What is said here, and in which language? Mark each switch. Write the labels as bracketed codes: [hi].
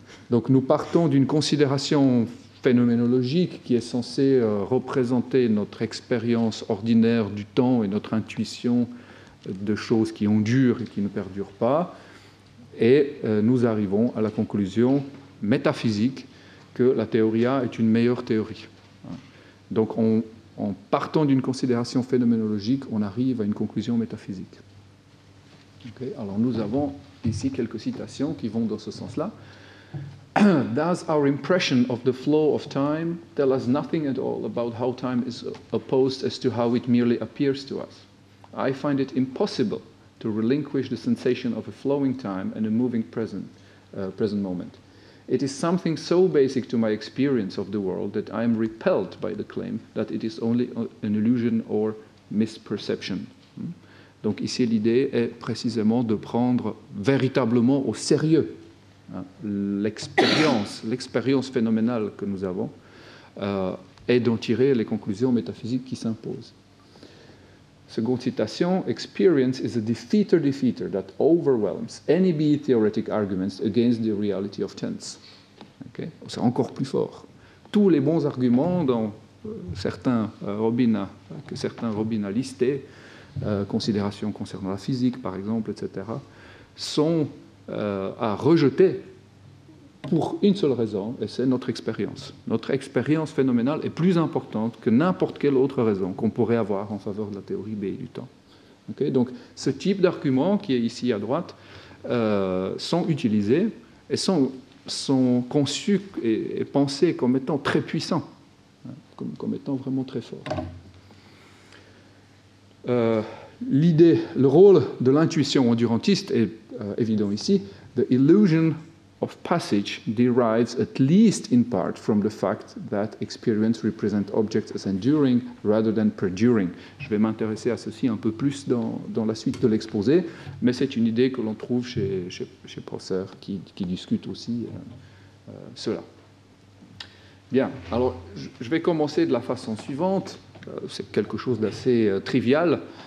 [fr] Donc nous partons d'une considération phénoménologique qui est censée représenter notre expérience ordinaire du temps et notre intuition de choses qui endurent et qui ne perdurent pas, et nous arrivons à la conclusion métaphysique que la théorie A est une meilleure théorie. Donc en partant d'une considération phénoménologique, on arrive à une conclusion métaphysique. Okay, alors nous avons ici quelques citations qui vont dans ce sens-là. [en] Does our impression of the flow of time tell us nothing at all about how time is opposed as to how it merely appears to us? I find it impossible to relinquish the sensation of a flowing time and a moving present moment. It is something so basic to my experience of the world that I am repelled by the claim that it is only an illusion or misperception. [fr] Donc ici l'idée est précisément de prendre véritablement au sérieux l'expérience phénoménale que nous avons et d'en tirer les conclusions métaphysiques qui s'imposent. Seconde citation, [en] experience is a defeater that overwhelms any be theoretic arguments against the reality of tense. [fr] Okay? C'est encore plus fort. Tous les bons arguments dont certains Robin a listé, considérations concernant la physique par exemple, etc., sont à rejeter pour une seule raison, et c'est notre expérience. Notre expérience phénoménale est plus importante que n'importe quelle autre raison qu'on pourrait avoir en faveur de la théorie B du temps. Okay? Donc ce type d'argument qui est ici à droite sont utilisés et sont conçus et pensés comme étant très puissants, comme étant vraiment très forts. L'idée, le rôle de l'intuition endurantiste est évident ici. [en] The illusion of passage derives at least in part from the fact that experience represents objects as enduring rather than perduring. [fr] Je vais m'intéresser à ceci un peu plus dans la suite de l'exposé, mais c'est une idée que l'on trouve chez Prosser qui discute aussi cela. Bien, alors je vais commencer de la façon suivante. C'est quelque chose d'assez trivial.